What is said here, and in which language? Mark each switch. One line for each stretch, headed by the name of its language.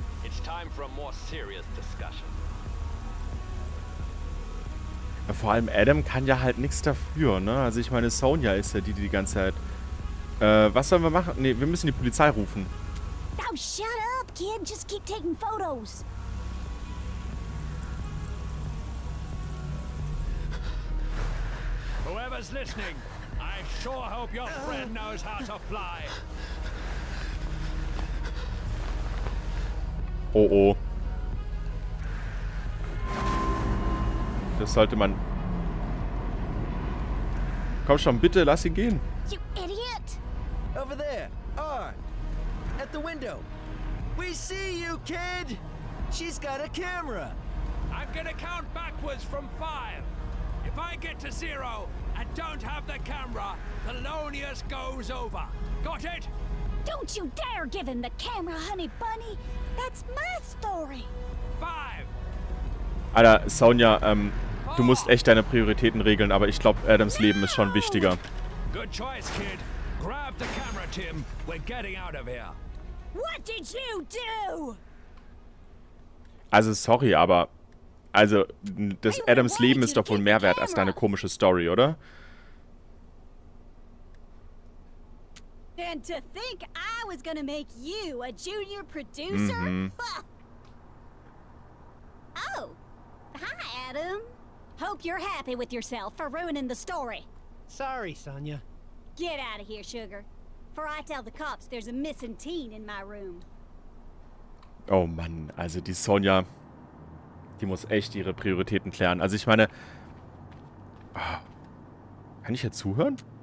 English: It's time for a more serious discussion.
German: Vor allem Adam kann ja halt nichts dafür, ne? Also ich meine, Sonja ist ja die ganze Zeit. Was sollen wir machen? Ne, wir müssen die Polizei rufen.
English: Oh, shut up, kid. Just keep taking photos. Whoever's listening, I sure hope your friend knows how to fly. Oh oh.
German: Das sollte man. Komm schon, bitte lass ihn gehen.
English: You idiot! Over there, R. At the window. We see you, kid! She's got a camera. I'm gonna count backwards from five. If I get to zero and don't have the camera, Thelonious goes over. Got it? Don't you dare give him the camera, honey bunny. That's my story. Five.
German: Alter, Sonja, du musst echt deine Prioritäten regeln, aber ich glaube, Adams Leben ist schon wichtiger.
English: Good choice, kid. Grab the camera, Tim. We're getting out of here. What did you do?
German: Also, sorry, aber Also, das Adams Leben ist doch wohl mehr wert als deine komische Story, oder?
English: And to think I was gonna make you a junior producer? Mm-hmm. Oh, hi, Adam. Hope you're happy with yourself for ruining the story. Sorry, Sonya. Get out of here, sugar. For I tell the cops there's a missing teen in my room.
German: Oh Mann, also die Sonja, die muss echt ihre Prioritäten klären. Also ich meine, kann ich jetzt zuhören?